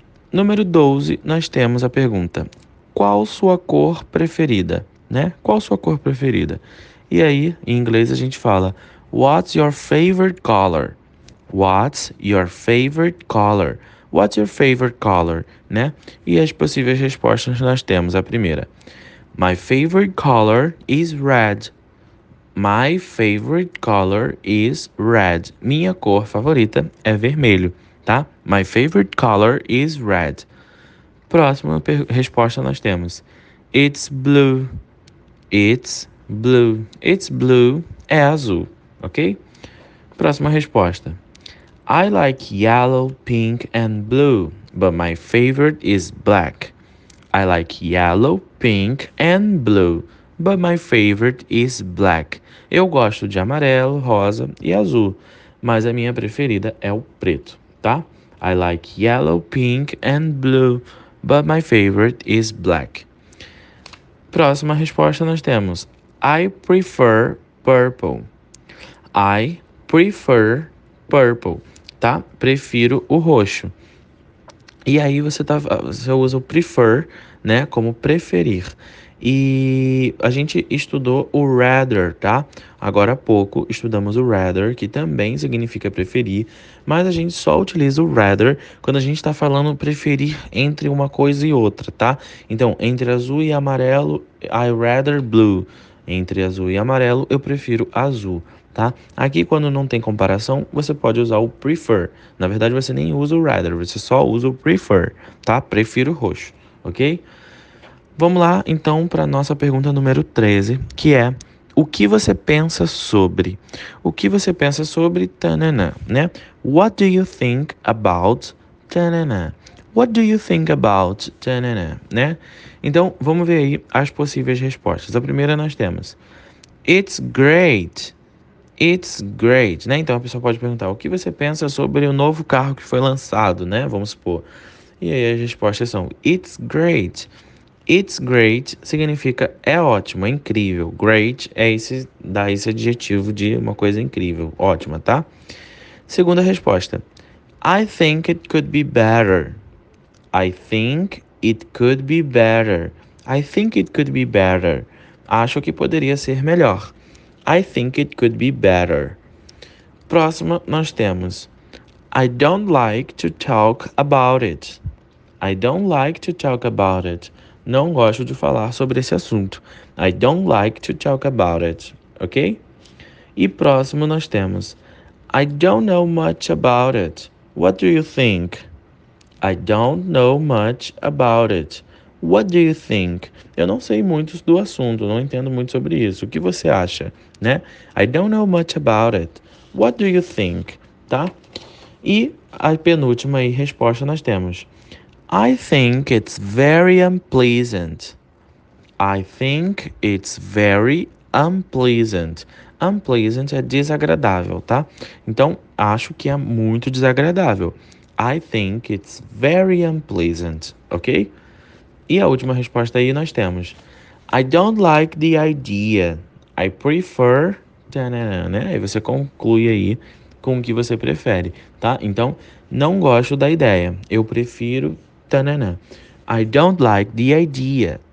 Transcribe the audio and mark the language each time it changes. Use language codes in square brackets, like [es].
[pt] Número 12, nós temos a pergunta: Qual sua cor preferida? Né? Qual sua cor preferida? E aí, em inglês, a gente fala: [en] What's your favorite color? What's your favorite color? What's your favorite color? [pt] Né? E as possíveis respostas nós temos a primeira. [en] My favorite color is red. My favorite color is red. [pt] Minha cor favorita é vermelho, tá? [en] My favorite color is red. [pt] Próxima resposta nós temos. [en] It's blue. It's blue. It's blue [pt] é azul, ok? Próxima resposta. [en] I like yellow, pink and blue, but my favorite is black. I like yellow, pink and blue, but my favorite is black. [pt] Eu gosto de amarelo, rosa e azul, mas a minha preferida é o preto, tá? [en] I like yellow, pink and blue, but my favorite is black. [pt] Próxima resposta nós temos. [en] I prefer purple. I prefer purple, tá? [pt] Prefiro o roxo. E aí você usa o prefer, né, como preferir. E a gente estudou o rather, tá? Agora há pouco estudamos o rather, que também significa preferir. Mas a gente só utiliza o rather quando a gente está falando preferir entre uma coisa e outra, tá? Então, entre azul e amarelo, [en] I rather blue. [pt] Entre azul e amarelo, eu prefiro azul, tá? Aqui, quando não tem comparação, você pode usar o prefer. Na verdade, você nem usa o rather, você só usa o prefer, tá? Prefiro roxo, ok? Vamos lá, então, para a nossa pergunta número 13, que é o que você pensa sobre? O que você pensa sobre tanana, né? [en] What do you think about tanana? What do you think about tanana, né? [pt] Então, vamos ver aí as possíveis respostas. A primeira nós temos. [en] It's great. It's great, né? [pt] Então, a pessoa pode perguntar o que você pensa sobre o novo carro que foi lançado, né? Vamos supor. E aí as respostas são [en] it's great. It's great [pt] significa é ótimo, é incrível. Great é esse, dá esse adjetivo de uma coisa incrível, ótima, tá? Segunda resposta. [en] I think it could be better. I think it could be better. I think it could be better. [pt] Acho que poderia ser melhor. [en] I think it could be better. [pt] Próxima nós temos. [en] I don't like to talk about it. I don't like to talk about it. [pt] Não gosto de falar sobre esse assunto. [en] I don't like to talk about it. Ok? [pt] E próximo nós temos. [en] I don't know much about it. What do you think? I don't know much about it. What do you think? [pt] Eu não sei muito do assunto. Não entendo muito sobre isso. O que você acha? Né? [en] I don't know much about it. What do you think? Tá? [pt] E a penúltima aí, resposta nós temos. [en] I think it's very unpleasant. I think it's very unpleasant. [pt] Unpleasant é desagradável, tá? Então, acho que é muito desagradável. [en] I think it's very unpleasant, ok? [pt] E a última resposta aí nós temos. [en] I don't like the idea. I prefer... [pt] Tanana, né? Aí você conclui aí com o que você prefere, tá? Então, não gosto da ideia. Eu prefiro... [en] Tanana. I don't like the idea.